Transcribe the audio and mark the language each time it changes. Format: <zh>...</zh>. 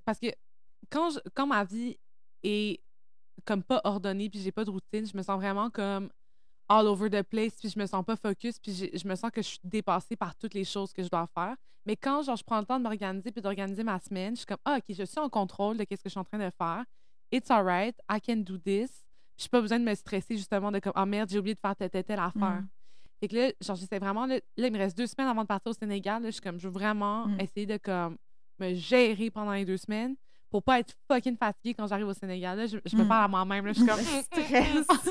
<fr>Parce que quand ma vie est comme pas ordonnée, puis j'ai pas de routine, je me sens vraiment comme</fr> <en>all over the place,</en> <fr>puis je me sens pas focus, puis je me sens que je suis dépassée par toutes les choses que je dois faire. Mais quand, genre, je prends le temps de m'organiser puis d'organiser ma semaine, je suis comme, ah, OK, je suis en contrôle de qu'est-ce que je suis en train de faire.</fr> <en>It's all right, I can do this.</en> <fr>Puis j'ai pas besoin de me stresser, justement, de comme, ah, merde, j'ai oublié de faire telle affaire. Mm. Fait que là, genre, j'essaie vraiment... Là, il me reste 2 semaines avant de partir au Sénégal. Là, je suis comme, je veux vraiment essayer de, comme, me gérer pendant les 2 semaines pour pas être fucking fatiguée quand j'arrive au Sénégal. Là, je me parle à moi-même, là. Je suis comme... stress!</fr>